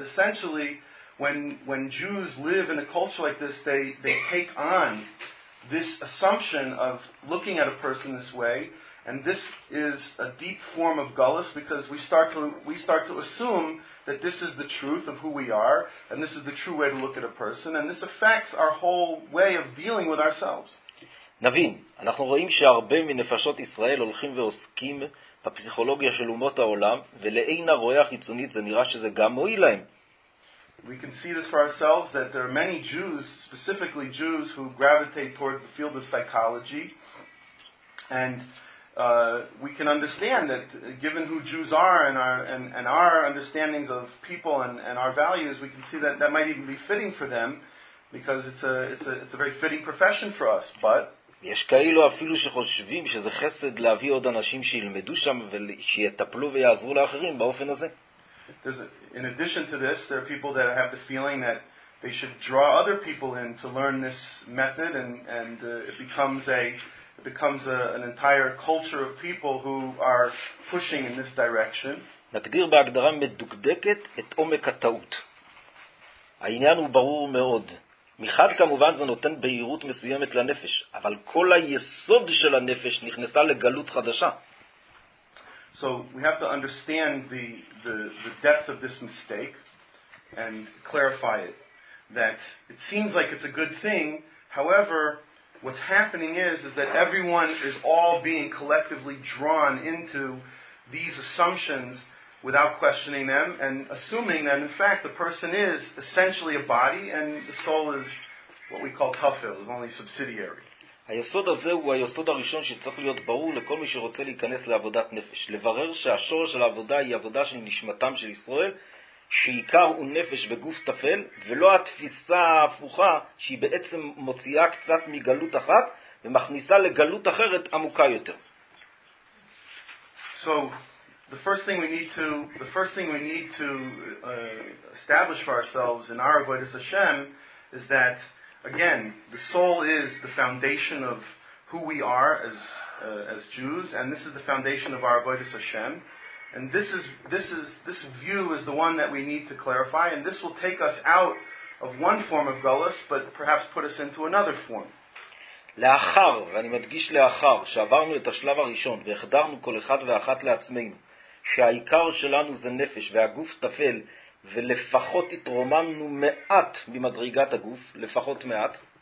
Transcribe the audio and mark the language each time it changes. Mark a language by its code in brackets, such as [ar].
[en] But essentially when Jews live in a culture like this, they take on this assumption of looking at a person this way. And this is a deep form of gullus, because we start to assume that this is the truth of who we are, and this is the true way to look at a person, and this affects our whole way of dealing with ourselves. [he] נבין, אנחנו רואים שהרבה מנפשות ישראל הולכים ועוסקים בפסיכולוגיה של אומות העולם, ולאין הרואה החיצונית זה נראה שזה גם מועיל להם. [en] We can see this for ourselves, that there are many Jews, specifically Jews, who gravitate towards the field of psychology, and we can understand that given who Jews are and our understandings of people and our values, we can see that might even be fitting for them, because it's a very fitting profession for us. But [he] יש כאילו אפילו שחושבים שזה חסד להביא עוד אנשים שילמדו שם ושיטפלו ויעזרו לאחרים באופן הזה. [en] In addition to this, there are people that have the feeling that they should draw other people in to learn this method, and it becomes an entire culture of people who are pushing in this direction. [he] נגדיר בהגדרה מדוקדקת את עומק הטעות. העניין הוא ברור מאוד. מחד כמובן זה נותן בהירות מסוימת לנפש, אבל כל היסוד של הנפש נכנסה לגלות חדשה. [en] So we have to understand the depth of this mistake and clarify it, that it seems like it's a good thing, however what's happening is that everyone is all being collectively drawn into these assumptions without questioning them, and assuming that in fact the person is essentially a body and the soul is what we call tafil, is only subsidiary. [he] היסוד הזה הוא היסוד הראשון שצריך להיות ברור לכל מי שרוצה להיכנס לעבודת נפש, לברר שהשורש של העבודה היא עבודה של נשמתם של ישראל, שעיקר הוא נפש וגוף תפל, ולא התפיסה ההפוכה שהיא בעצם מוציאה קצת מגלות אחת ומכניסה לגלות אחרת עמוקה יותר. [en] So the first thing we need to establish for ourselves in our avodas Hashem is that again the soul is the foundation of who we are as Jews, and this is the foundation of our avodas Hashem. And this view is the one that we need to clarify, and this will take us out of one form of gullus but perhaps put us into another form. [he] לאחר, ואני מדגיש לאחר, שעברנו את השלב הראשון והחדרנו כל אחד ואחת לעצמנו שהעיקר שלנו זה נפש והגוף תפל, ולפחות התרוממנו מעט ממדרגת הגוף, לפחות מעט.